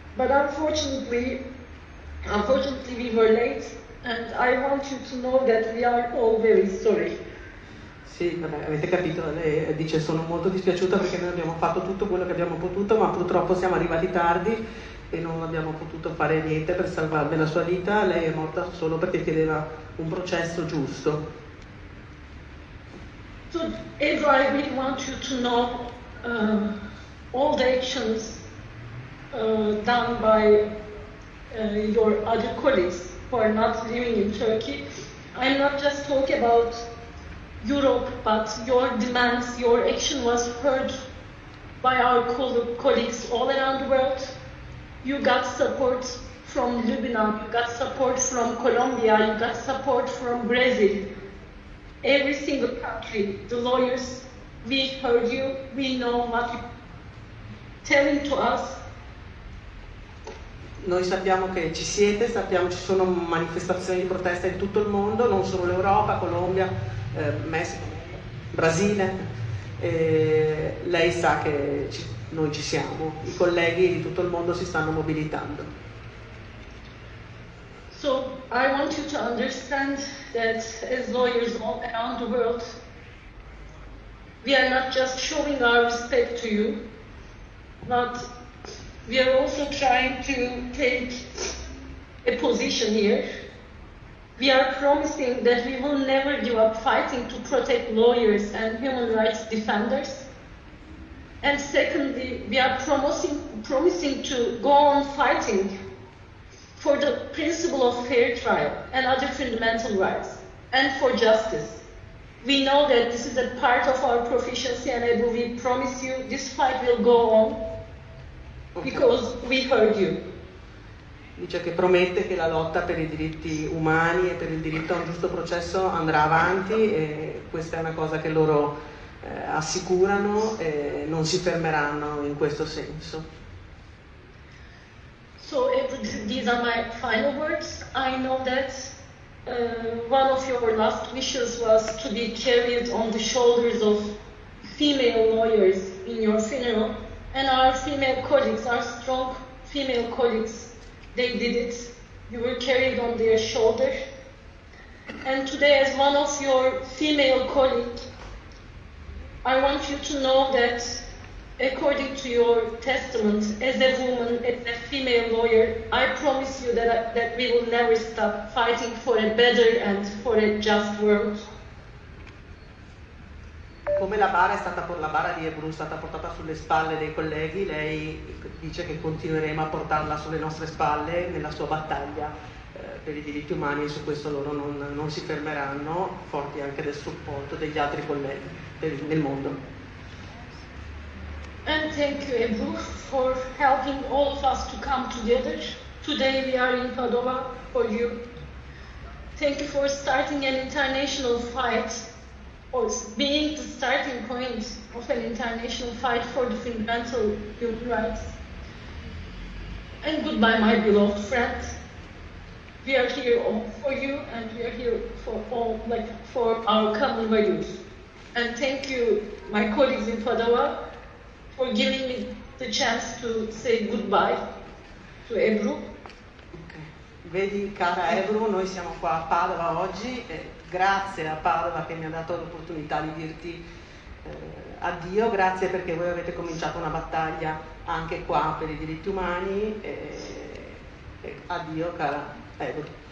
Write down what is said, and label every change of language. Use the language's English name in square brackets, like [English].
[English] Unfortunately, we were late, and I want you to know that we are all very sorry. [Italian] Sì, vabbè, avete capito, lei dice sono molto dispiaciuta perché noi abbiamo fatto tutto quello che abbiamo potuto, ma purtroppo siamo arrivati tardi e non abbiamo potuto fare niente per salvarle la sua vita. Lei è morta solo perché chiedeva un processo giusto. [English] So, Ezra, I really want you to know all the actions done by your other colleagues who are not living in Turkey. I'm not just talking about Europe, but your demands, your action was heard by our colleagues all around the world. You got support from Lebanon, you got support from Colombia, you got support from Brazil. Every single country, the lawyers, we heard you, we know what you're telling to us. [Italian] Noi sappiamo che ci siete, sappiamo ci sono manifestazioni di protesta in tutto il mondo, non solo l'Europa, Colombia, Messico, Brasile. Lei sa che noi ci siamo, i colleghi di tutto il mondo si stanno mobilitando. [English] So I want you to understand that as lawyers all around the world, we are not just showing our respect to you, but we are also trying to take a position here. We are promising that we will never give up fighting to protect lawyers and human rights defenders. And secondly, we are promising to go on fighting for the principle of fair trial and other fundamental rights and for justice. We know that this is a part of our proficiency, and we promise you this fight will go on. Okay. Because we heard you. [Italian] Dice che promette che la lotta per i diritti umani e per il diritto a un giusto processo andrà avanti e questa è una cosa che loro assicurano e non si fermeranno in questo senso. [English] So these are my final words. I know that one of your last wishes was to be carried on the shoulders of female lawyers in your funeral. And our female colleagues, our strong female colleagues, they did it. You were carried on their shoulder. And today, as one of your female colleagues, I want you to know that According to your testament, as a woman, as a female lawyer, I promise you that we will never stop fighting for a better and for a just world. [Italian] Come la bara è stata per la bara di Ebru stata portata sulle spalle dei colleghi, lei dice che continueremo a portarla sulle nostre spalle nella sua battaglia per i diritti umani, e su questo loro non si fermeranno, forti anche del supporto degli altri colleghi nel mondo. [English] And thank you, Ebru, for helping all of us to come together. Today we are in Padova for you. Thank you for starting an international fight, or being the starting point of an international fight for the fundamental human rights. And goodbye, my beloved friend. We are here all for you, and we are here for all, like, for our common values. And thank you, my colleagues in Padova, for giving me the chance to say goodbye to Ebru. Okay. [Italian] Vedi, cara Ebru, noi siamo qua a Padova oggi, e grazie a Padova che mi ha dato l'opportunità di dirti addio, grazie perché voi avete cominciato una battaglia anche qua per i diritti umani, e addio, cara Ebru.